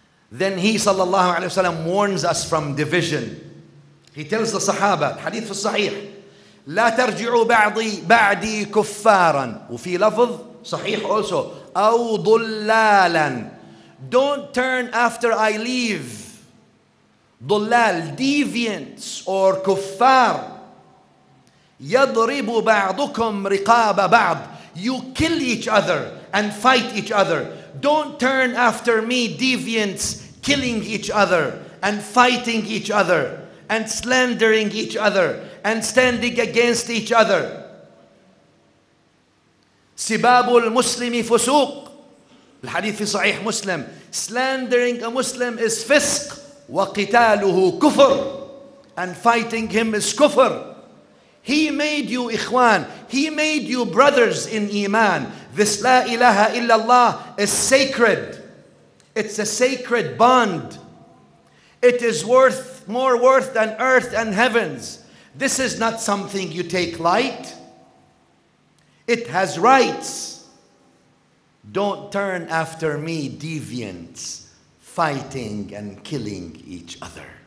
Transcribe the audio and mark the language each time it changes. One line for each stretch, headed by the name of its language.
English: Then he sallallahu alayhi wa sallam warns us from division. He tells the sahaba, hadith sahih,
Arabic: لا ترجعوا بعدي كفارا. وفي لفظ صحيح
English: also,
Arabic: أو ضلالا.
English: Don't turn after I leave. ضلال, deviants or كفار.
Arabic: يضرب بعضكم رقاب بعض.
English: You kill each other and fight each other. Don't turn after me, deviants, killing each other and fighting each other and slandering each other and standing against each other.
Arabic: سباب المسلم فسوق. الحديث في صحيح مسلم.
English: Slandering a Muslim is fisk.
Arabic: وقتاله كفر.
English: And fighting him is كفر. He made you إخوان. He made you brothers in إيمان. This لا إله إلا الله is sacred. It's a sacred bond. It is worth more worth than earth and heavens. This is not something you take light. It has rights. Don't turn after me, deviants, fighting and killing each other.